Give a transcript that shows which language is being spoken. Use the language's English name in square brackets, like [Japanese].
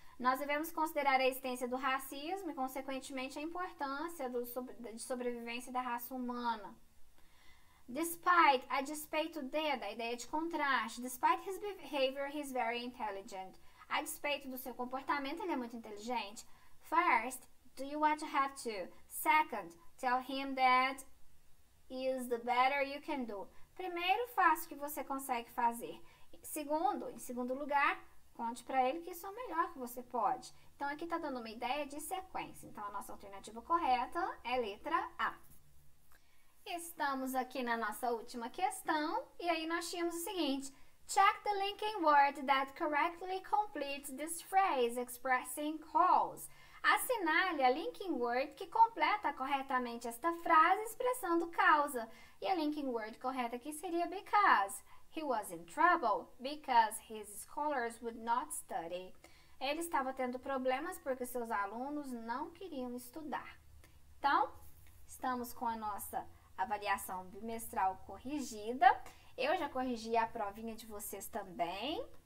[Portuguese] Nós devemos considerar a existência do racismo e, consequentemente, a importância de sobrevivência da raça humana. Despite, a despeito de, da ideia de contraste. [English] Despite his behavior, he's very intelligent. [Portuguese] A despeito do seu comportamento, ele é muito inteligente. [English] First, do you want to have to? Second, tell him that is the better you can do. [Portuguese] Primeiro, faça o que você consegue fazer. Segundo, em segundo lugar, conte para ele que isso é o melhor que você pode. Então, aqui está dando uma ideia de sequência. Então, a nossa alternativa correta é letra A. Estamos aqui na nossa última questão, e aí nós tínhamos o seguinte: [English] check the linking word that correctly completes this phrase expressing calls. [Portuguese] Assinale a linking word que completa corretamente esta frase expressando causa. E a linking word correta aqui seria because. [English] He was in trouble because his scholars would not study. [Portuguese] Ele estava tendo problemas porque seus alunos não queriam estudar. Então, estamos com a nossa avaliação bimestral corrigida. Eu já corrigi a provinha de vocês também.